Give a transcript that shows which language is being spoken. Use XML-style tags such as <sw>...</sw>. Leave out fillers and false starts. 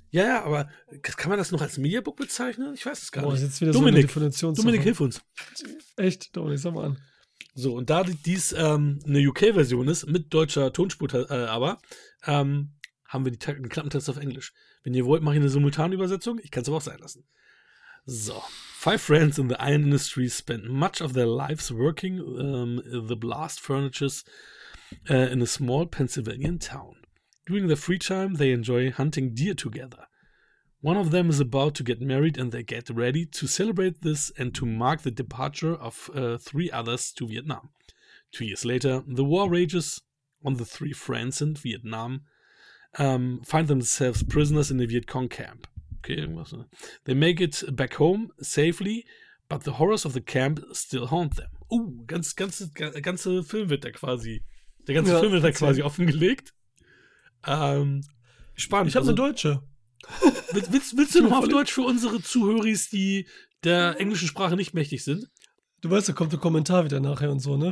<de>Ja, ja, aber kann man das noch als Mediabook bezeichnen? Ich weiß es gar nicht. Jetzt wieder Dominik, so eine Definitions- Dominik, hilf uns. Echt, Dominik, sag mal an. So, und da dies eine UK-Version ist, mit deutscher Tonspur haben wir einen Klappentext auf Englisch. Wenn ihr wollt, mache ich eine simultane Übersetzung. Ich kann es aber auch sein lassen. So.</de> <en>5 friends in the iron industry spent much of their lives working the blast furnaces in a small Pennsylvanian town. During their free time, they enjoy hunting deer together. One of them is about to get married and they get ready to celebrate this and to mark the departure of 3 others to Vietnam. 2 years later, the war rages on the 3 friends in Vietnam, find themselves prisoners in a Viet Cong camp.</en> <de>Okay, irgendwas.</de> <en>They make it back home safely, but the horrors of the camp still haunt them.</en> <de>Ganze Film wird da quasi, der ganze ja, Film wird da quasi sehen. Offengelegt. Spannend. Ich habe eine deutsche. Willst du nochmal auf Deutsch für unsere Zuhörer, die der englischen Sprache nicht mächtig sind? Du weißt, da kommt ein Kommentar wieder nachher und so, ne?</de>